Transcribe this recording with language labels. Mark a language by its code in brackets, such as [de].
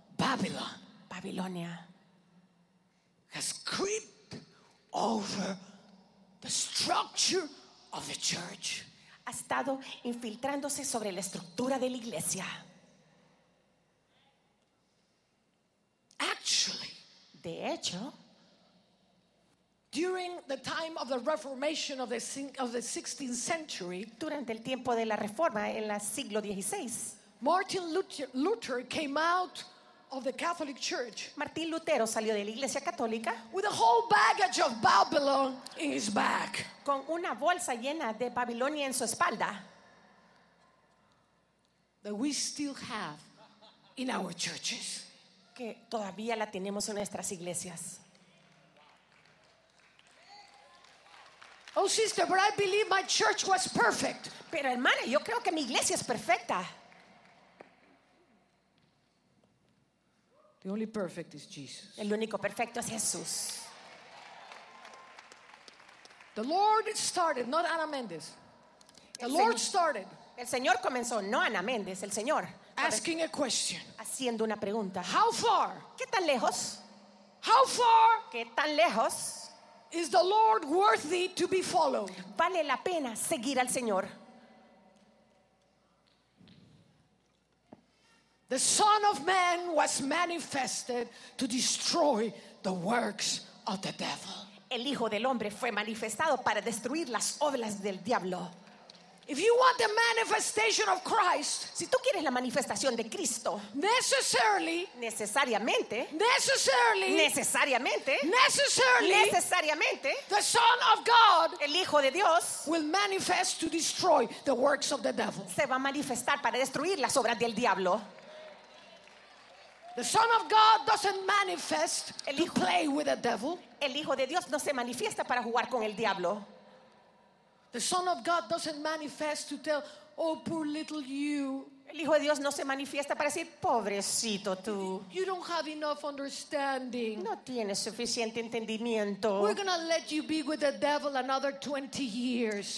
[en] Babylonia has crept over the structure of the church. [es] Ha estado infiltrándose sobre la estructura de la iglesia. [en] Actually, [es] de hecho, [en] during the time of the Reformation of the 16th century, [es] durante el tiempo de la Reforma en el siglo 16. [en] Martin Luther came out of the Catholic Church. [es] Martín Lutero salió de la Iglesia Católica. [en] With a whole baggage of Babylon in his back. [es] Con una bolsa llena de Babilonia en su espalda. [en] That we still have in our churches. [es] Que todavía la tenemos en nuestras iglesias. [en] Oh, sister, but I believe my church was perfect. [es] Pero hermana, yo creo que mi iglesia es perfecta. [en] The only perfect is Jesus. [es] El único perfecto es Jesús. [en] The Lord started, not Ana Méndez. The Lord started. [es] El Señor comenzó, no Ana Méndez, el Señor. [en] Asking a question. [es] Haciendo una pregunta. [en] How far? [es] ¿Qué tan lejos? [en] How far? [es] ¿Qué tan lejos? [en] Is the Lord worthy to be followed? [es] ¿Vale la pena seguir al Señor? [en] The Son of Man was manifested to destroy the works of the devil. [es] El Hijo del Hombre fue manifestado para destruir las obras del diablo. [en] If you want the manifestation of Christ, [es] si tú quieres la manifestación de Cristo, necesariamente, [en] the Son of God, [es] el Hijo de Dios, [en] will manifest to destroy the works of the devil. [es] Se va a manifestar para destruir las obras del diablo. [en] The Son of God doesn't manifest to play with the devil. [es] El Hijo de Dios no se manifiesta para jugar con el diablo. [en] The Son of God doesn't manifest to tell, oh, poor little you. [es] El Hijo de Dios no se manifiesta para decir, pobrecito tú. [en] You don't have enough understanding. [es] No tienes suficiente entendimiento. [en] We're going to let you be with the devil another 20 years.